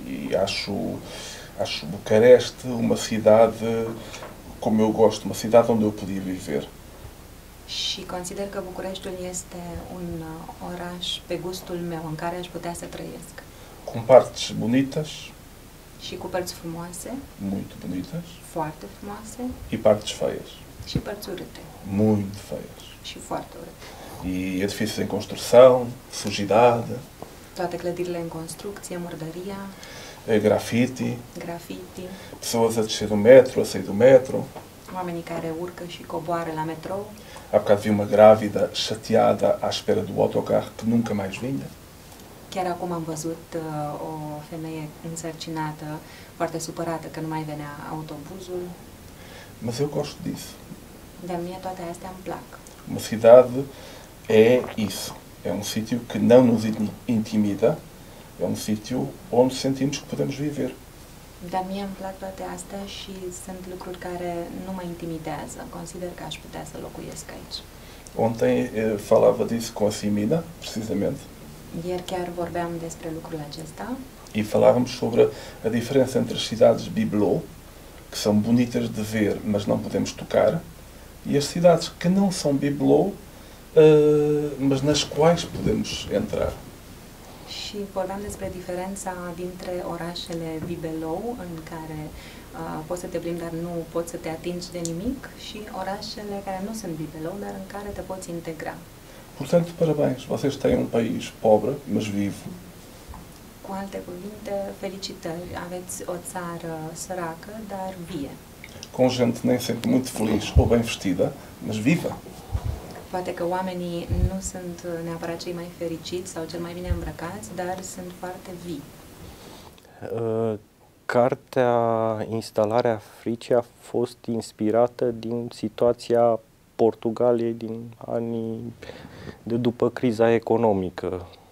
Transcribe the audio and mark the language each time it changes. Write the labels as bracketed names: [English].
[Portuguese] E acho Bucareste uma cidade como eu gosto, uma cidade onde eu podia viver. [Romanian] Și consider că Bucureștiul este un oraș pe gustul meu, în care aș putea să trăiesc. [Portuguese] Com partes bonitas, [Romanian] Și cu părți frumoase, [Portuguese] muito bonitas, [Romanian] foarte frumoase, [Portuguese] e partes feias, [Romanian] și părți urâte [Portuguese] muito feias. [Romanian] și foarte urâte. [Portuguese] E edifícios em construção, sujidade. [Romanian] Toate clădirile în construcție, murdăria, [Portuguese] Grafiti, [Romanian] grafiti, [Portuguese] pessoas a descer do metro, a sair do metro. [Romanian] oamenii care urcă și coboară la metrou. [Portuguese] Há bocado vi uma grávida chateada à espera do autocarro que nunca mais vinha. [Romanian] Chiar acum am văzut o femeie însărcinată, foarte supărată că nu mai venea autobuzul. [Portuguese] Mas eu gosto disso. [Romanian] Dar mie toate astea îmi plac. [Portuguese] Uma cidade é isso. É um sítio que não nos intimida. É um sítio onde sentimos que podemos viver. [Romanian] Dar mie îmi plac toate astea și sunt lucruri care nu mă intimidează. Consider că aș putea să locuiesc aici. [Portuguese] Ontem falava disso com a Simina, precisamente, [Romanian] Ieri chiar vorbeam despre lucrul acesta. [Portuguese] e falávamos sobre a diferença entre as cidades bibelô, que são bonitas de ver, mas não podemos tocar, e as cidades que não são bibelô, mas nas quais podemos entrar. [Romanian] Și vorbeam despre diferența dintre orașele bibelou, în care poți să te plimbi, dar nu poți să te atingi de nimic, și orașele care nu sunt bibelou, dar în care te poți integra. [Portuguese] Portanto, parabéns. Vocês têm um país pobre, mas vivo. [Romanian] Cu alte cuvinte, felicitări, aveți o țară săracă, dar vie. [Portuguese] Com gente nem sempre muito feliz ou bem vestida, mas viva. [Romanian] Poate că oamenii nu sunt neapărat cei mai fericiți sau cel mai bine îmbrăcați, dar sunt foarte vii. Cartea Instalarea Fricii a fost inspirată din situația Portugaliei din anii de după criza economică.